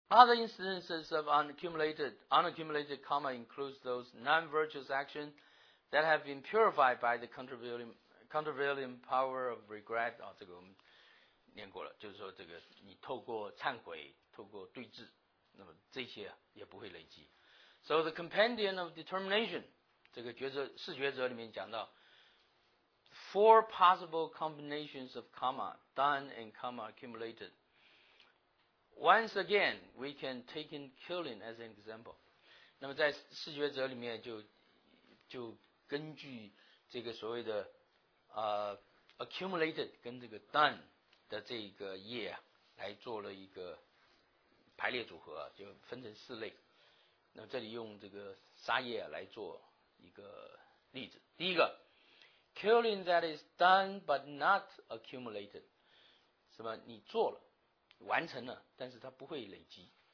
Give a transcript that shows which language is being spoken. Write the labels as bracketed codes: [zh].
[en] Other instances of unaccumulated karma includes those non-virtuous actions that have been purified by the countervailing power of regret. [zh] 啊，这个我们念过了，就是说这个你透过忏悔，透过对治，那么这些也不会累积。 [en] So the compendium of determination， [zh] 这个抉择四抉择里面讲到 [en] four possible combinations of karma done and karma accumulated。 Once again, we can take in killing as an example. [zh] 那么在四抉择里面就根据这个所谓的accumulated 跟这个 done 的这个业来做了一个排列组合，就分成四类。那么这里用这个杀业来做一个例子。第一个 [en] ,killing that is done but not accumulated. [zh] 什么你做了。完成了，但是它不会累积。